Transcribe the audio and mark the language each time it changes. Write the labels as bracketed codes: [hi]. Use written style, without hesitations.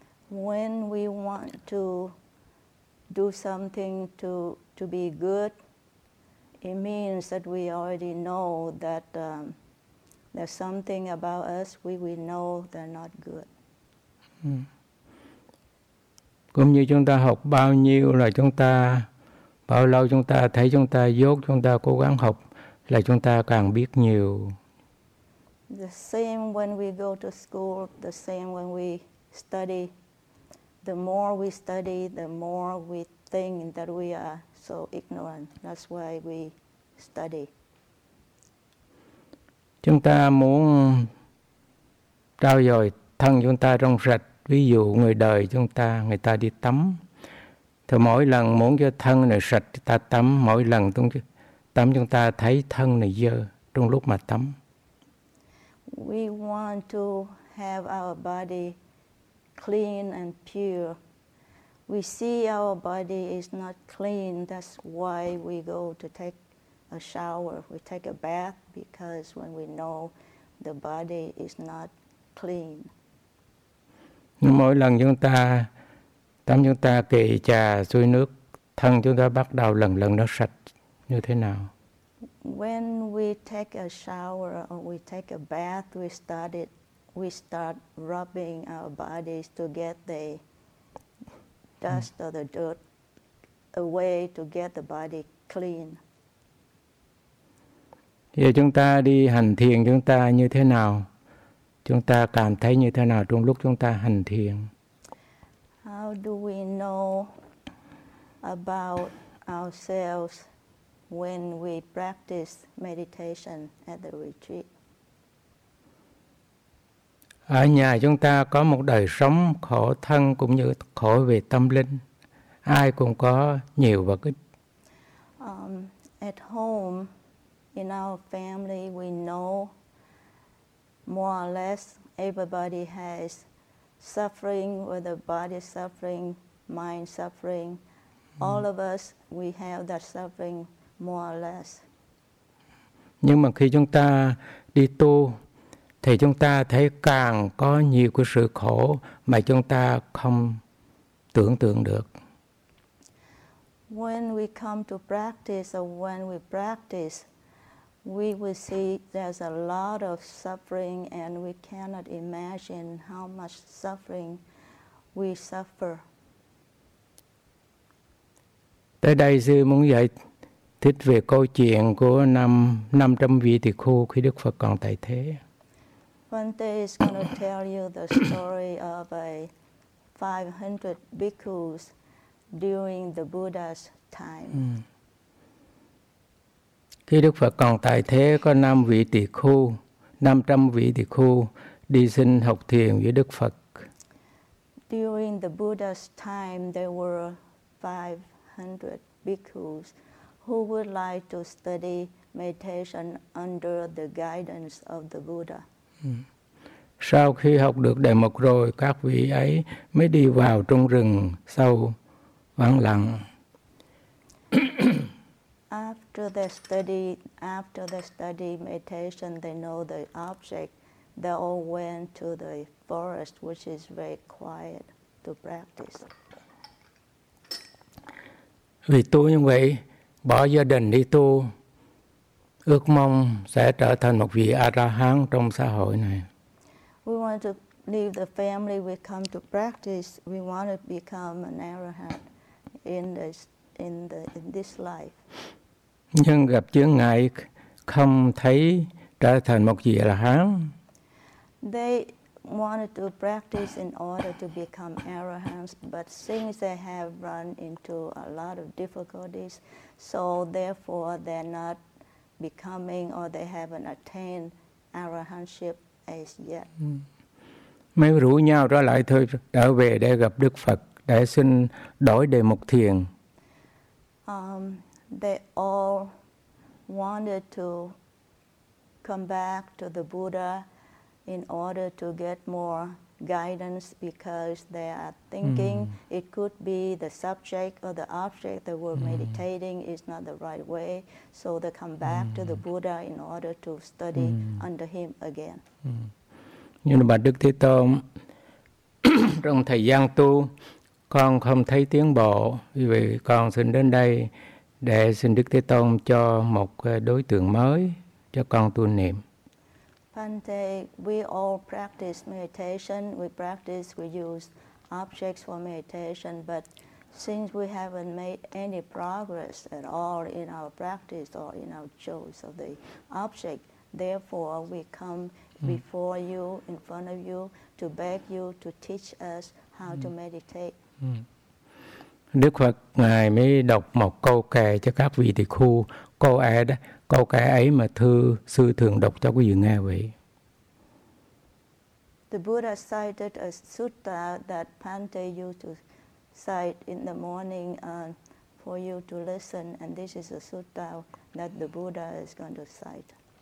[en] When we want to do something to be good, it means that we already know that there's something about us we know they're not good. [vi] Cũng như chúng ta học bao nhiêu là chúng ta bao lâu chúng ta thấy chúng ta dốt, chúng ta cố gắng học là chúng ta càng biết nhiều. [en] The same when we go to school, the same when we study. The more we study, the more we think that we are so ignorant. That's why we study. [vi] Chúng ta muốn trau dồi thân chúng ta trong sạch. Ví dụ người đời chúng ta, người ta đi tắm. Thì mỗi lần muốn cho thân này sạch, ta tắm. Mỗi lần tắm chúng ta thấy thân này dơ trong lúc mà tắm. [en] We want to have our body clean and pure. We see our body is not clean. That's why we go to take a shower. We take a bath because when we know the body is not clean. [vi] Mỗi lần chúng ta tắm, chúng ta kỳ trà xuôi nước, thân chúng ta bắt đầu lần lần nó sạch như thế nào? [en] When we take a shower or we take a bath, we start rubbing our bodies to get the dust or the dirt away, to get the body clean. [vi] Giờ chúng ta đi hành thiền, chúng ta như thế nào? Chúng ta cảm thấy như thế nào trong lúc chúng ta hành thiền? [en] How do we know about ourselves when we practice meditation at the retreat? [vi] Ở nhà chúng ta có một đời sống khổ thân cũng như khổ về tâm linh. Ai cũng có nhiều và ít. [en] At home, in our family, we know more or less everybody has suffering, whether body suffering, mind suffering. All of us, we have that suffering more or less. [vi] Nhưng mà khi chúng ta đi tu, thì chúng ta thấy càng có nhiều cái sự khổ mà chúng ta không tưởng tượng được. [en] When we come to practice, or when we practice, we will see there's a lot of suffering and we cannot imagine how much suffering we suffer. [vi] Tới đây sư muốn giải thích về câu chuyện của năm trăm vị tỳ khưu khi Đức Phật còn tại thế. [en] Bhante is going to tell you the story of a 500 bhikkhus during the Buddha's time. [vi] Khi Đức Phật còn tại thế, có năm vị tỳ khưu, 500 vị tỳ khưu đi xin học thiền với Đức Phật. [en] During the Buddha's time, there were 500 bhikkhus who would like to study meditation under the guidance of the Buddha. [vi] Sau khi học được đề mục rồi, các vị ấy mới đi vào trong rừng sâu vắng lặng. [en] After the study meditation, they know the object, they all went to the forest, which is very quiet, to practice. [vi] Vì tu như vậy, bỏ gia đình đi tu, Ước mong sẽ trở thành một vị A-la-hán trong xã hội này. [en] We want to leave the family, we come to practice, we want to become an arahant in this life. [vi] Nhưng gặp chướng ngại không thấy trở thành một vị A-la-hán. [en] They wanted to practice in order to become arahants, but since they have run into a lot of difficulties, so therefore they're not becoming or they haven't attained arahantship as yet. [vi] Mấy rủ nhau ra lại thôi, trở về để gặp Đức Phật, để xin đổi đề mục thiền. [en] They all wanted to come back to the Buddha in order to get more guidance because they are thinking it could be the subject or the object that we're meditating is not the right way. So they come back to the Buddha in order to study under him again. [vi] Nhưng mà Đức Thế Tôn, trong thời gian tu, con không thấy tiến bộ, vì vậy con xin đến đây để xin Đức Thế Tôn cho một đối tượng mới cho con tu niệm. [en] Bhante, we all practice meditation. We practice, we use objects for meditation. But since we haven't made any progress at all in our practice or in our choice of the object, therefore we come before you, in front of you, to beg you to teach us how to meditate. [vi] Đức Phật ngài mới đọc một câu kệ cho các vị tỳ khu. Câu ấy đó, câu kệ ấy mà sư thường đọc cho quý vị nghe vậy. [en] The Buddha cited a sutta that Bhante used to cite in the morning for you to listen, and this is a sutta that the Buddha is going to cite.